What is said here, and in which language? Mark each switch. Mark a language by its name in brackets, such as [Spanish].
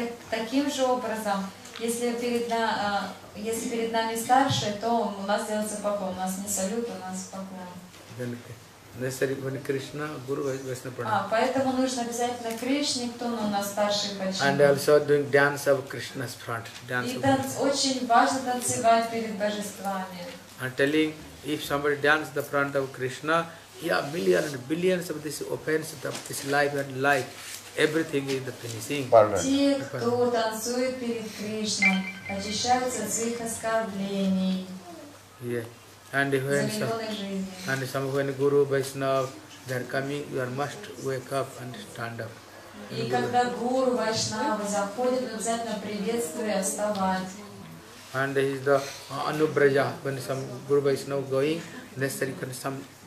[Russian] Таким же образом, если перед нами старший, то у нас делается поклон. У нас не салют, у нас поклон. Кришна, гуру, поэтому нужно обязательно Кришне, кто у нас старший по чину. [English] And also doing dance of Krishna's front. Dance [Russian] И очень важно танцевать перед божествами. [English] And telling if somebody dances the front of Krishna, yeah, millions and billions of this opens up this life and life, everything is the finishing. Pardon. [Russian] Те, кто танцует перед Кришной, очищаются от своих оскорблений. [English] Yeah, and when some Guru Vaishnav they are coming, you are must wake up and stand up. [Russian] И когда Гуру Вайшнава заходит, обязательно приветствуй, вставать. [English] And he is the Anubraja, when some Guru Vaishnava is going, necessary for some